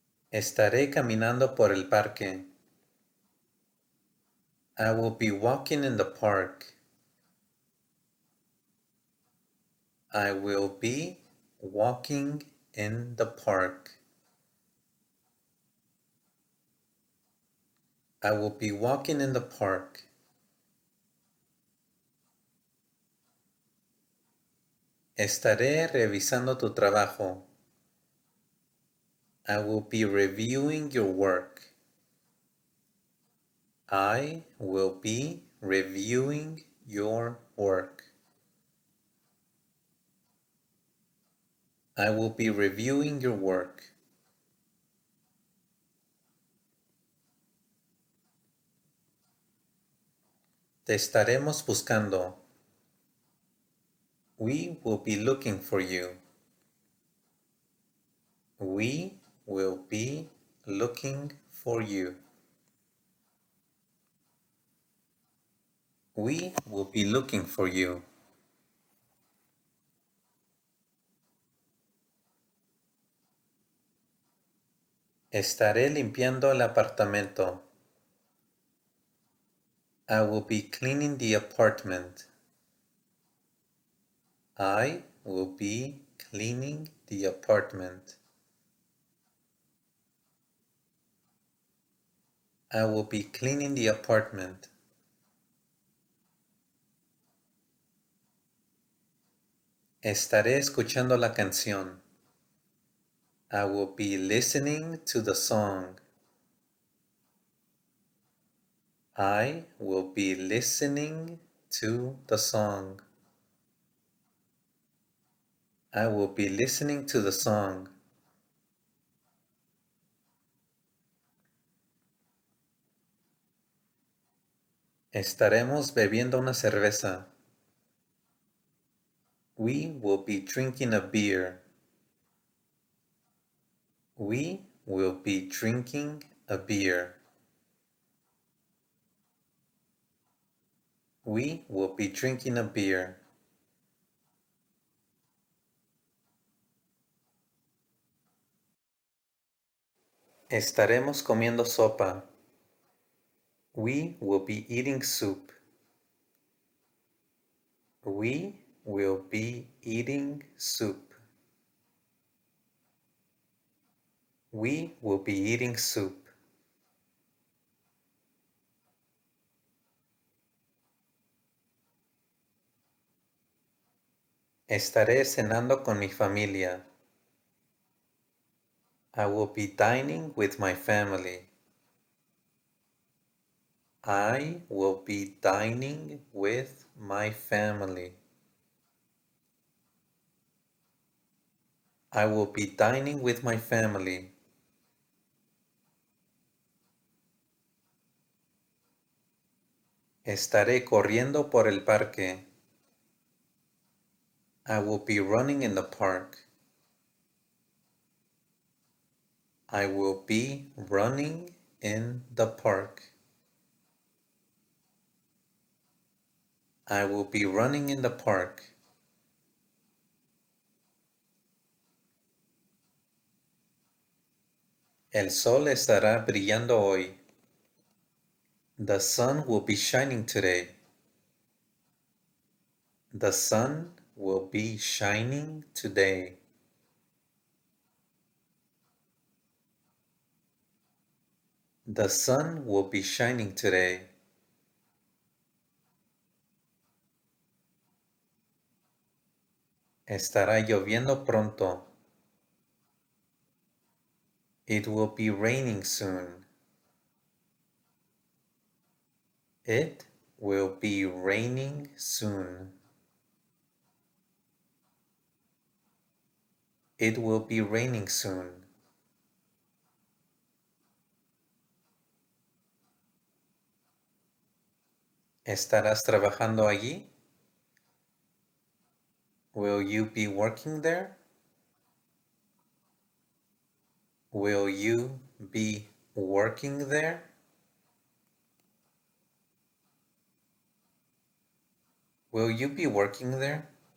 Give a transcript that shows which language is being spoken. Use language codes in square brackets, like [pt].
[es] Estaré caminando por el parque. [en] I will be walking in the park. I will be walking in the park. I will be walking in the park. [es] Estaré revisando tu trabajo. [en] I will be reviewing your work. I will be reviewing your work. I will be reviewing your work. [es] Te estaremos buscando. [en] We will be looking for you. We will be looking for you. We will be looking for you. [es] Estaré limpiando el apartamento. [en] I will be cleaning the apartment. I will be cleaning the apartment. I will be cleaning the apartment. [es] Estaré escuchando la canción. [en] I will be listening to the song. I will be listening to the song. I will be listening to the song. [es] Estaremos bebiendo una cerveza. [en] We will be drinking a beer. We will be drinking a beer. We will be drinking a beer. [es] Estaremos comiendo sopa. [en] We will be eating soup. We will be eating soup. We will be eating soup. [es] Estaré cenando con mi familia. [en] I will be dining with my family. I will be dining with my family. I will be dining with my family. [es] Estaré corriendo por el parque. [en] I will be running in the park. I will be running in the park. I will be running in the park. [es] El sol estará brillando hoy. [en] The sun will be shining today. The sun will be shining today. The sun will be shining today. [es] Estará lloviendo pronto. [en] It will be raining soon. It will be raining soon. It will be raining soon. [es] ¿Estarás trabajando allí? [en] Will you be working there? Will you be working there? Will you be working there?